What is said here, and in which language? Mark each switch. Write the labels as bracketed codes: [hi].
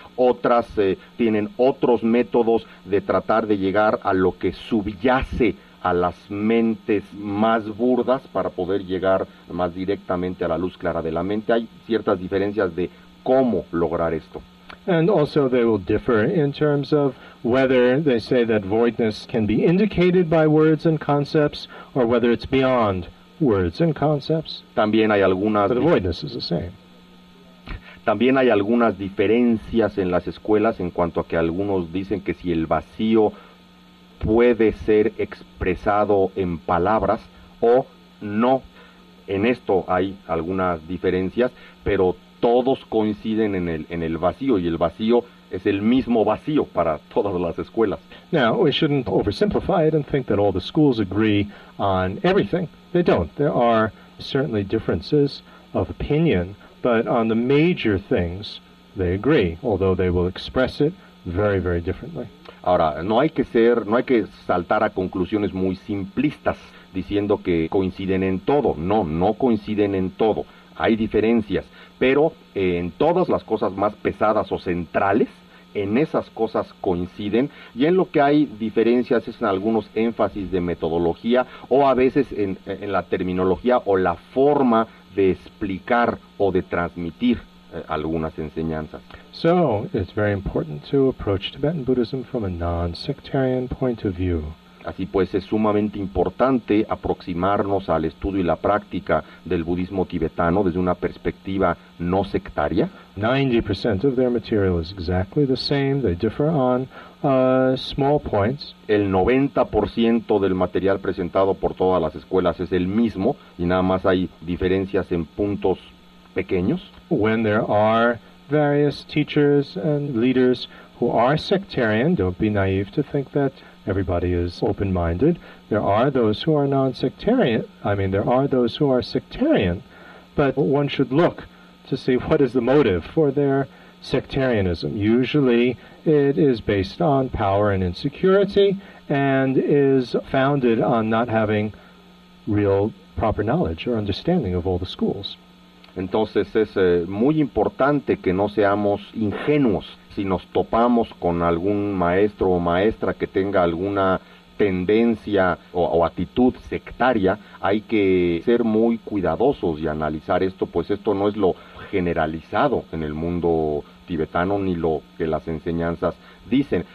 [es] Otras tienen otros métodos de tratar de llegar a lo que subyace a las mentes más burdas para poder llegar más directamente a la luz clara de la mente. Hay ciertas diferencias de cómo lograr esto. [en] And also they will differ in terms of whether they say that voidness can be indicated by words and concepts or whether it's beyond words and concepts. [es] También hay algunas. [en] But the voidness is the same. [es] También hay algunas diferencias en las escuelas en cuanto a que algunos dicen que si el vacío puede ser expresado en palabras o no. En esto hay algunas diferencias, pero todos coinciden en el vacío, y el vacío es el mismo vacío para todas las escuelas. [en] Now, we shouldn't oversimplify it and think that all the schools agree on everything. They don't. There are certainly differences of opinion, but on the major things, they agree, although they will express it very, very differently. [es] Ahora, no hay que saltar a conclusiones muy simplistas diciendo que coinciden en todo. No, no coinciden en todo. Hay diferencias, pero en todas las cosas más pesadas o centrales, en esas cosas coinciden, y en lo que hay diferencias es en algunos énfasis de metodología o a veces en la terminología o la forma de explicar o de transmitir algunas enseñanzas. [en] So, it's very important to approach Tibetan Buddhism from a non-sectarian point of view. [es] Así pues, es sumamente importante aproximarnos al estudio y la práctica del budismo tibetano desde una perspectiva no sectaria. [en] 90% of their material is exactly the same. They differ on small points. [es] El 90% del material presentado por todas las escuelas es el mismo y nada más hay diferencias en puntos pequeños. [en] When there are various teachers and leaders who are sectarian, don't be naive to think that everybody is open-minded. There are those who are non-sectarian. I mean, there are those who are sectarian, but one should look to see what is the motive for their sectarianism. Usually, it is based on power and insecurity and is founded on not having real proper knowledge or understanding of all the schools. [es] Entonces, es muy importante que no seamos ingenuos. Si nos topamos con algún maestro o maestra que tenga alguna tendencia o actitud sectaria, hay que ser muy cuidadosos y analizar esto, pues esto no es lo generalizado en el mundo tibetano ni lo que las enseñanzas dicen.